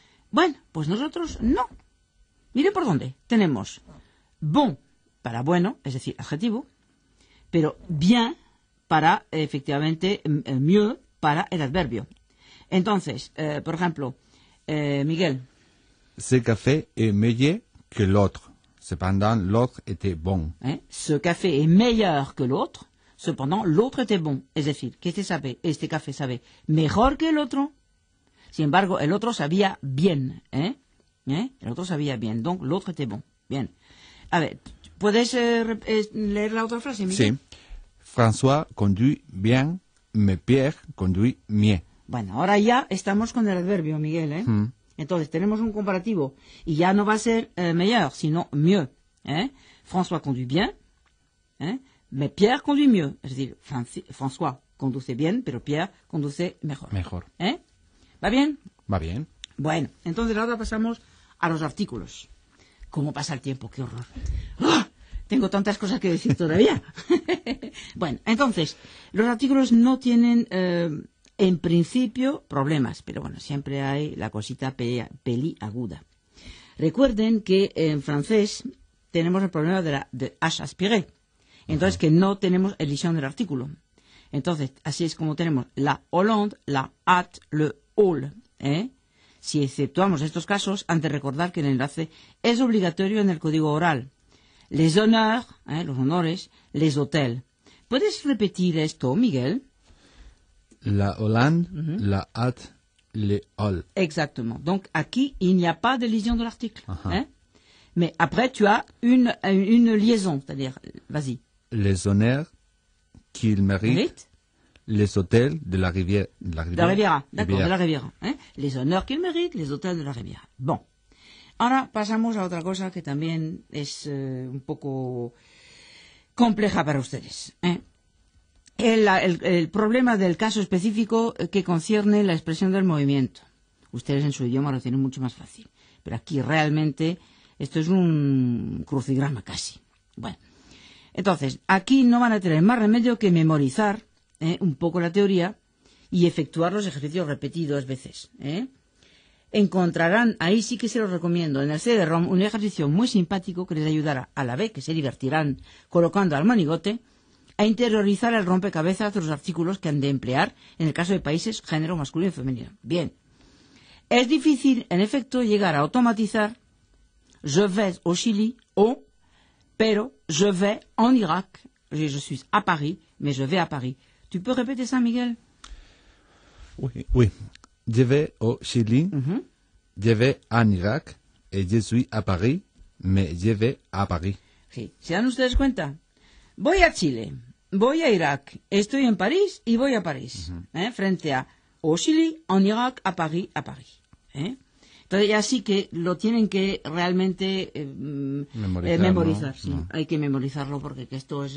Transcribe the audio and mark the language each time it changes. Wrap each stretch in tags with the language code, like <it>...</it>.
<es>Bueno, pues nosotros no. Miren por dónde. Tenemos bon para bueno, es decir, adjetivo, pero bien para, efectivamente, mieux, para el adverbio. Entonces, por ejemplo, Miguel.</es> <fr>Ce café est meilleur que l'autre. Cependant, l'autre était bon. Ce café est meilleur que l'autre. Cependant, l'autre était bon.</fr> <es>Es decir, que este café sabe mejor que el otro. Sin embargo, el otro sabía bien. El otro sabía bien.</es> <fr>Donc, l'autre était bon. Bien.</fr> <es>A ver, ¿puedes leer la otra frase, Miguel? Sí.</es> <fr>François conduit bien, mais Pierre conduit mieux.</fr> <es>Bueno, ahora ya estamos con el adverbio, Miguel, Entonces, tenemos un comparativo, y ya no va a ser meilleur, sino mieux,</es> <fr>François conduit bien, mais Pierre conduit mieux.</fr> <es>Es decir, François conduce bien, pero Pierre conduce mejor. Mejor. ¿Va bien? Va bien. Bueno, entonces ahora pasamos a los artículos. ¿Cómo pasa el tiempo? ¡Qué horror! ¡Ah! tengo tantas cosas que decir todavía. Bueno, entonces, los artículos no tienen, en principio, problemas, pero bueno, siempre hay la cosita peliaguda. Recuerden que en francés tenemos el problema de la de H aspiré, entonces que no tenemos elisión del artículo. Entonces, así es como tenemos</es> <fr>la Hollande, la at, le all,</fr> <es>¿eh? Si exceptuamos estos casos, han de recordar que el enlace es obligatorio en el código oral.</es> <fr>Les honneurs,</fr> <es>los honores,</es> <fr>les hôtels.</fr> <es>¿Puedes repetir esto, Miguel?</es> <fr>La Hollande, la at, le all. Exactement. Donc, aquí, il n'y a pas de liaison de l'article. Mais après, tu as une liaison, c'est-à-dire, vas-y. Les honneurs qu'il mérite. Les hôtels de la rivière. De la Riviera. Les honneurs qu'il mérite, les hôtels de la Riviera. Bon.</fr> <es>Ahora pasamos a otra cosa que también es un poco compleja para ustedes. El problema del caso específico que concierne la expresión del movimiento. Ustedes en su idioma lo tienen mucho más fácil. Pero aquí realmente esto es un crucigrama casi. Bueno. Entonces, aquí no van a tener más remedio que memorizar un poco la teoría y efectuar los ejercicios repetidos veces. Encontrarán, ahí sí que se los recomiendo, en el CD-ROM un ejercicio muy simpático que les ayudará a la vez que se divertirán colocando al monigote a interiorizar el rompecabezas de los artículos que han de emplear en el caso de países género masculino y femenino. Bien, es difícil en efecto llegar a automatizar</es> <fr>je vais au Chili</fr> <es>o pero</es> <fr>je vais en Irak, je suis à Paris</fr> <es>mais je vais à Paris. ¿Tú puedes repetir eso, Miguel?</es> <fr>Oui. Je vais au Chili, je vais en Irak, et je suis à Paris, mais je vais à Paris.</fr> <es>Sí. ¿Se dan ustedes cuenta? Voy a Chile, voy a Irak, estoy en París y voy a París. Frente a</es> <fr>au Chili, en Irak, a Paris,</fr> <es>a París. Entonces, ya sí que lo tienen que realmente memorizar. Sí. Hay que memorizarlo porque que esto es...</es>